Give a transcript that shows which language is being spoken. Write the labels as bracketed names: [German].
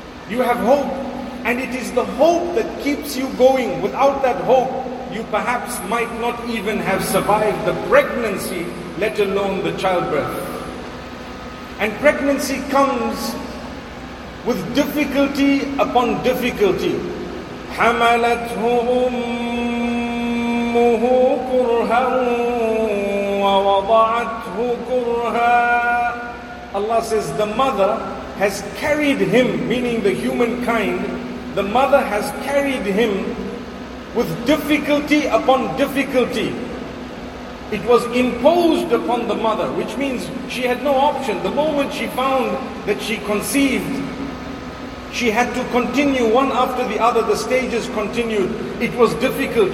[English] You have hope, and it is the hope that keeps you going. Without that hope, you perhaps might not even have survived the pregnancy, let alone the childbirth. And pregnancy comes with difficulty upon difficulty. [Arabic] حَمَلَتْهُ أُمُّهُ كُرْهًا وَوَضَعَتْهُ كُرْهًا. [English] Allah says the mother has carried him, meaning the humankind, the mother has carried him with difficulty upon difficulty. It was imposed upon the mother, which means she had no option. The moment she found that she conceived, she had to continue one after the other. The stages continued. It was difficult.